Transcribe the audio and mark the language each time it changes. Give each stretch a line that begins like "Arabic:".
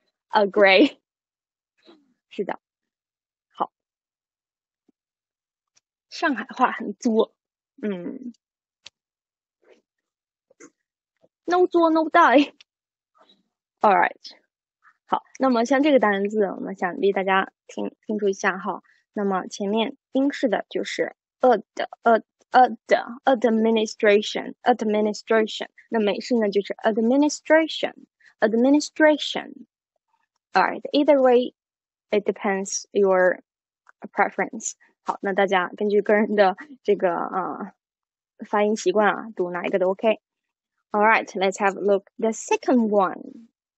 English: Agree，
Chinese: 是的，好，上海话很作，嗯 ，no 作 no die，
English: all right，
Chinese: 好，那么像这个单字，我们想必大家听出一下哈，那么前面英式的就是 administration， 那美式呢就是 administration。
English: Alright, either way, it depends your preference.
Chinese: 好，那大家根据个人的这个发音习惯啊，读哪一个都 OK.
English: Alright, let's have a look the second one.